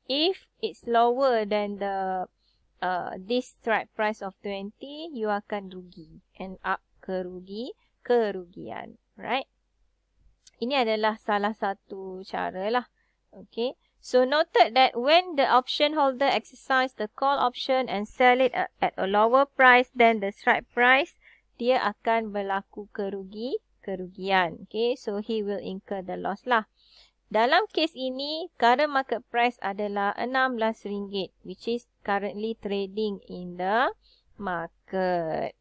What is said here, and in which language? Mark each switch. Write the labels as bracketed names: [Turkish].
[English] If it's lower than the this strike price of RM20, you [Malay] akan rugi. [English] End up [Malay] kerugian. Right? Ini adalah salah satu cara lah. [English] Okay. So, noted that when the option holder exercise the call option and sell it at a lower price than the strike price, [Malay] dia akan berlaku kerugian. [English] Okay, so he will incur the loss lah. [Malay] Dalam case ini, [English] current market price adalah RM16, which is currently trading in the market.